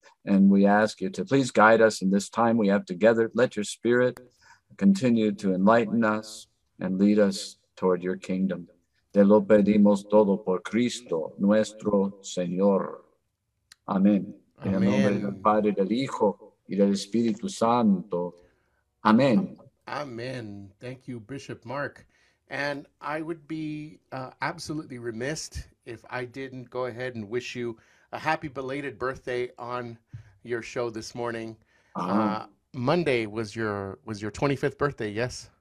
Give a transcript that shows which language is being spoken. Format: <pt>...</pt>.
<en>And we ask you to please guide us in this time we have together. Let your spirit continue to enlighten us and lead us toward your kingdom.</en> <es>Te lo pedimos todo por Cristo, nuestro Señor. Amén. Amén. En el nombre del Padre, del Hijo y del Espíritu Santo. Amén.</es> <en>Amén. Thank you, Bishop Mark. And I would be absolutely remiss if I didn't go ahead and wish you a happy belated birthday on your show this morning. Monday was your 25th birthday, yes?</en>